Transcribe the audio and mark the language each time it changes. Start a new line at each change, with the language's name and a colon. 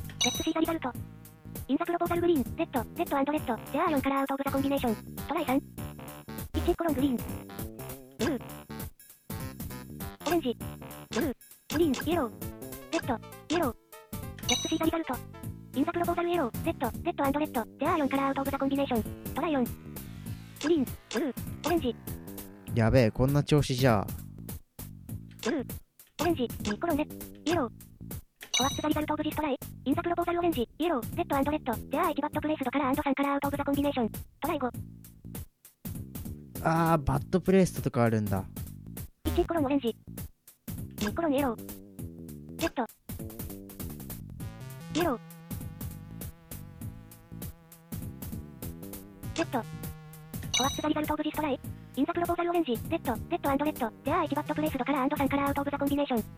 English: Let's see the result。 インザプロポーザルグリーン、レッド、レッドアンドレッド、There are 4カラーアウトオブザコンビネーション。トライ3。1コロングリーン。ブルー。オレンジ。ブルー。グリーン、イエロー。レッド、イエロー。Let's see the result。インザプロポーザルイエロー、レッド、レッドアンドレッド、There are 4カラーアウトオブザコンビネーション。トライ4。グリーン、ブルー、オレンジ。
Japanese: やべえ、こんな調子じゃ。
English: ブルー。オレンジ、2コロネット、イエロー。 What's the result of this try? In the proposal orange, yellow, red and red. There are 8 bad placed color and 3 color out of the combination. Try 5.
Japanese: ああ、バッドプレイストとかあるんだ。
English: 1コロンオレンジ。2コロンイエロー。レッド。イエロー。レッド。What's the result of this try? インザプロポーザルオレンジ、レッド、レッドアンドレッド、There are 8 bad placed color and 3 color out of the combination.